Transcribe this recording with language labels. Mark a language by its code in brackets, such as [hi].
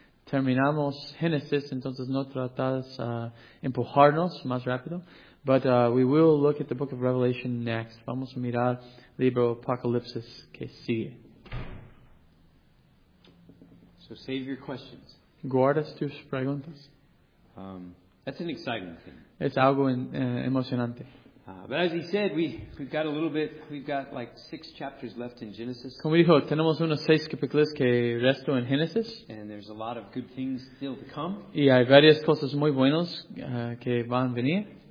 [es] Terminamos Genesis, entonces no tratas empujarnos más rápido. [en] But we will look at the book of Revelation next. [es] Vamos a mirar el libro Apocalipsis que sigue. [en] So save your questions. [es] Guardas tus preguntas. [en] That's an exciting thing. [es] Es algo emocionante. [en] But as he said, we've got a little bit. We've got like 6 chapters left in Genesis. [es] Como dijo, tenemos unos 6 capítulos que resto en Genesis. [en] And there's a lot of good things still to come. [es] Y hay varias cosas muy buenas que van a venir.